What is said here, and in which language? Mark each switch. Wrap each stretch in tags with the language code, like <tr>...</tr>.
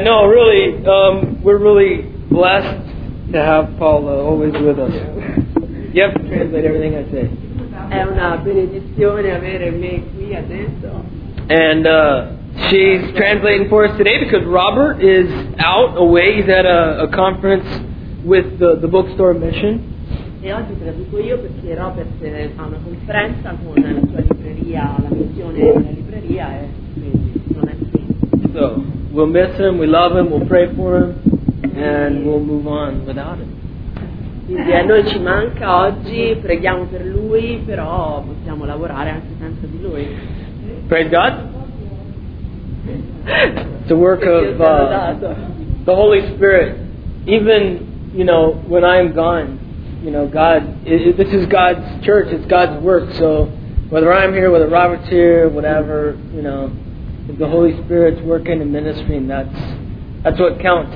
<en>No, really, we're really blessed to have Paula always with us. You have to translate everything I say.</en> <it>È una benedizione avere me qui adesso.</it> <en>And she's translating for us today because Robert is out away. He's at a conference with the bookstore mission.</en> <it>E oggi traduco io perché Robert ha una conferenza con la sua libreria, la missione della libreria, e quindi non è qui.</it> <en>So we'll miss him, we love him, we'll pray for him, and we'll move on without him.</en> <it>Quindi a noi ci manca oggi, preghiamo per lui, però possiamo lavorare anche senza di lui.</it> <en>Praise God. It's a work of the Holy Spirit. Even, you know, when I'm gone, you know, God, this is God's church, it's God's work. So whether I'm here, whether Robert's here, whatever, you know, if the Holy Spirit's working and ministering, that's what counts.</en>